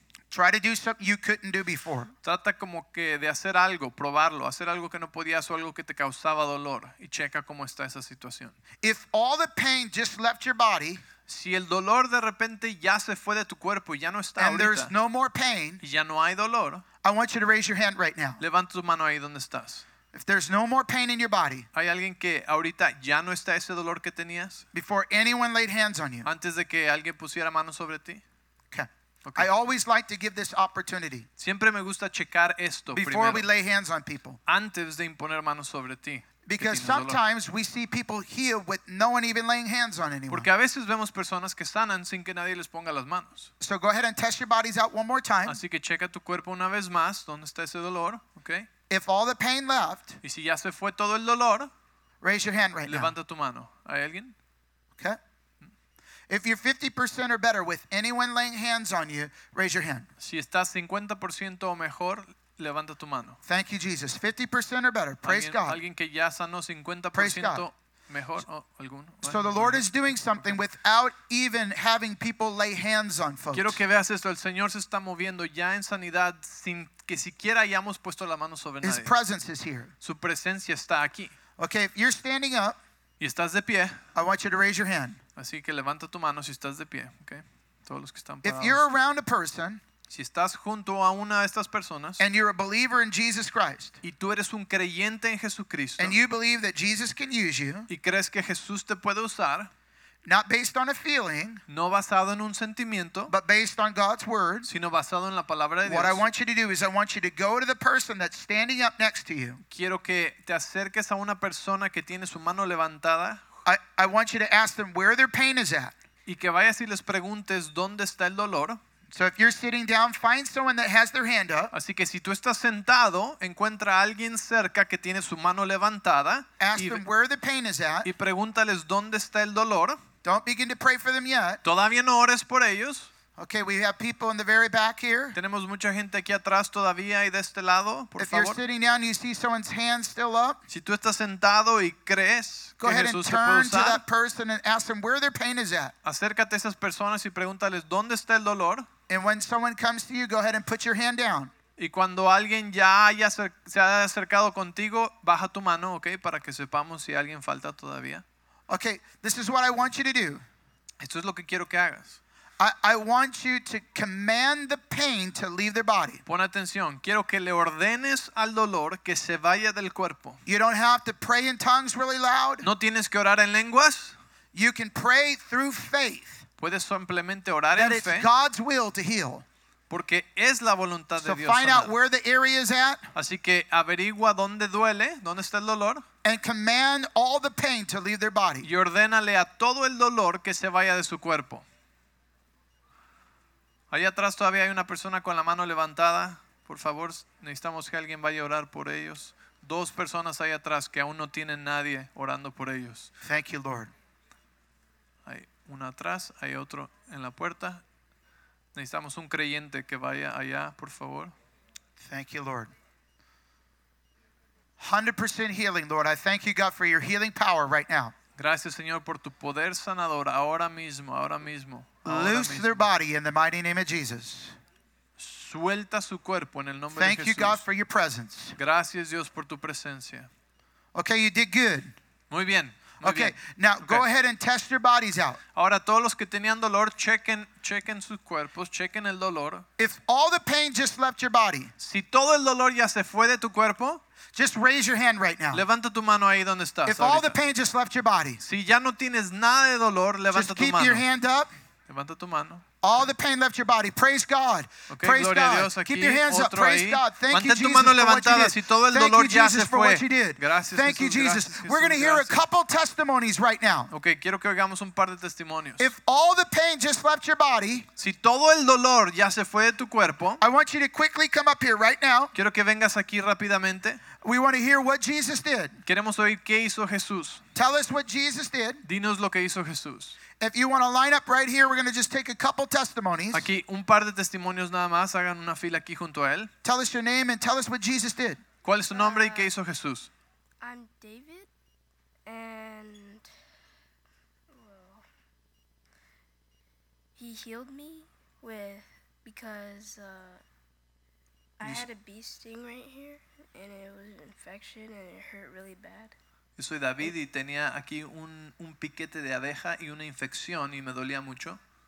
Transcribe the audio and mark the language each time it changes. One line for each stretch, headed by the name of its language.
English: Try to do something you couldn't do before.
Spanish: Trata como que de hacer algo, probarlo, hacer algo que no podías o algo que te causaba dolor y checa cómo está esa situación.
English: If all the pain just left your body,
Spanish: si el dolor de repente ya se fue de tu cuerpo y ya no está
English: and
Spanish: ahorita,
English: there's no more pain,
Spanish: y ya no hay dolor,
English: I want you to raise your hand right now.
Spanish: Levanta tu mano ahí donde estás.
English: If there's no more pain in your body,
Spanish: hay alguien que ahorita ya no está ese dolor que tenías,
English: before anyone laid hands on you,
Spanish: antes de que alguien pusiera mano sobre ti.
English: Okay. I always like to give this opportunity.
Spanish: Siempre me gusta checar esto
English: before
Spanish: primero,
English: we lay hands on people.
Spanish: Antes de imponer manos sobre ti.
English: Because sometimes we see people healed with no one even laying hands on anyone.
Spanish: Porque a veces vemos personas que sanan sin que nadie les ponga las manos.
English: So go ahead and test your bodies out one more time.
Spanish: Así que checa tu cuerpo una vez más, ¿dónde está ese dolor?
English: Okay. If all the pain left,
Spanish: y si ya se fue todo el dolor,
English: raise your hand right
Spanish: levanta
English: now.
Spanish: Tu mano. ¿Hay alguien?
English: Okay. If you're 50% or better with anyone laying hands on you, raise your hand.
Spanish: Si estás 50% o mejor, levanta tu mano.
English: Thank you, Jesus. 50% or better. Praise
Spanish: alguien,
English: God.
Spanish: Alguien que ya sanó 50% mejor o alguno.
English: So the Lord is doing something without even having people lay hands on folks.
Spanish: Quiero que veas esto. El Señor se está moviendo ya en sanidad sin que siquiera hayamos puesto la mano sobre nadie.
English: His presence is here.
Spanish: Su presencia está aquí.
English: Okay, if you're standing up,
Spanish: y estás de pie,
English: I want you to raise your hand.
Spanish: Así que levanta tu mano si estás de pie, okay? Todos los que están parados.
English: If you're around a person,
Spanish: si estás junto a una de estas personas,
English: and you're a believer in Jesus Christ,
Spanish: y tú eres un creyente en Jesucristo,
English: and you believe that Jesus can use you,
Spanish: y crees que Jesús te puede usar,
English: not based on a feeling,
Spanish: no basado en un sentimiento,
English: but based on God's word,
Spanish: sino basado en la palabra de Dios.
English: What I want you to do is I want you to go to the person that's standing up next to you.
Spanish: Quiero que te acerques a una persona que tiene su mano levantada
English: I want you to ask them where their pain is at.
Spanish: Y que vayas y les preguntes dónde está el dolor.
English: So if you're sitting down, find someone that has their hand up.
Spanish: Así que si tú estás sentado, encuentra a alguien cerca que tiene su mano levantada.
English: Ask them where the pain is at.
Spanish: Y pregúntales dónde está el dolor.
English: Don't begin to pray for them yet.
Spanish: Todavía no ores por ellos.
English: Okay, we have people in the very back here.
Spanish: Tenemos mucha gente aquí atrás todavía y de este lado, por
English: favor. If you're sitting down, you see someone's hand still up.
Spanish: Si tú estás sentado y crees que Jesús te puede usar.
English: Go ahead and turn to that person and ask them where their pain is at.
Spanish: Acércate a esas personas y pregúntales dónde está el dolor.
English: And when someone comes to you, go ahead and put your hand down.
Spanish: Y cuando alguien ya haya se haya acercado contigo, baja tu mano, okay, para que sepamos si alguien falta todavía.
English: Okay, this is what I want you to do.
Spanish: Esto es lo que quiero que hagas.
English: I want you to command the pain to leave their body.
Spanish: Pon atención. Quiero que le ordenes al dolor que se vaya del cuerpo.
English: You don't have to pray in tongues really loud.
Spanish: No tienes que orar en lenguas.
English: You can pray through faith.
Spanish: Puedes simplemente orar en fe.
English: That it's God's will to heal.
Spanish: Porque es la voluntad de Dios.
English: So find out where the area is at.
Spanish: Así que averigua dónde duele, dónde está el dolor.
English: And command all the pain to leave their body.
Spanish: Y ordénale a todo el dolor que se vaya de su cuerpo. Allá atrás todavía hay una persona con la mano levantada. Por favor, necesitamos que alguien vaya a orar por ellos. Dos personas allá atrás que aún no tienen nadie orando por ellos.
English: Thank you, Lord.
Spanish: Hay una atrás, hay otro en la puerta. Necesitamos un creyente que vaya allá, por favor.
English: Thank you, Lord. 100% healing, Lord. I thank you, God, for your healing power right now.
Spanish: Gracias, Señor, por tu poder sanador ahora mismo, ahora mismo.
English: Loose their body in the mighty name of Jesus.
Spanish: Suelta su cuerpo en el nombre de
English: Jesús. Thank you, God, for your presence.
Spanish: Gracias, Dios, por tu presencia.
English: Okay, you did good.
Spanish: Muy bien.
English: Okay, now go ahead and test your bodies out.
Spanish: Ahora todos los que tenían dolor, chequen sus cuerpos, chequen el dolor.
English: If all the pain just left your body,
Spanish: si todo el dolor ya se fue de tu cuerpo,
English: just raise your hand right now.
Spanish: Levanta tu mano ahí donde estás.
English: If all the pain just left your body,
Spanish: si ya no tienes nada de dolor, levanta tu mano.
English: Just keep your hand up.
Spanish: Levanta tu mano.
English: All the pain left your body. Praise God. Okay, praise
Spanish: Gloria God. A Dios aquí,
English: keep your hands up. Praise
Spanish: ahí.
English: God. Thank
Spanish: Mantén
English: you, Jesus, for
Spanish: levantada,
English: what you did.
Spanish: Si
English: Thank you, Jesus, for
Spanish: fue.
English: What you did.
Spanish: Gracias,
English: Thank Jesus, you, Jesus.
Spanish: Gracias,
English: We're going to hear
Spanish: gracias.
English: A couple testimonies right now.
Spanish: Okay, quiero que oigamos un par de testimonios.
English: If all the pain just left your body,
Spanish: si todo el dolor ya se fue de tu cuerpo,
English: I want you to quickly come up here right now.
Spanish: Quiero que vengas aquí rápidamente.
English: We want to hear what Jesus did.
Spanish: Queremos oír qué hizo Jesús.
English: Tell us what Jesus did.
Spanish: Dinos lo que hizo Jesús.
English: If you want to line up right here, we're going to just take a couple testimonies.
Spanish: Aquí un par de testimonios nada más. Hagan una fila aquí junto a él.
English: Tell us your name and tell us what Jesus did.
Spanish: ¿Cuál es tu nombre y qué hizo Jesús?
English: I'm David, and he healed me because I had a bee sting right here, and it was an infection, and it hurt really bad.
Spanish: Yo soy David y tenía aquí un piquete de abeja y una infección y me dolía mucho.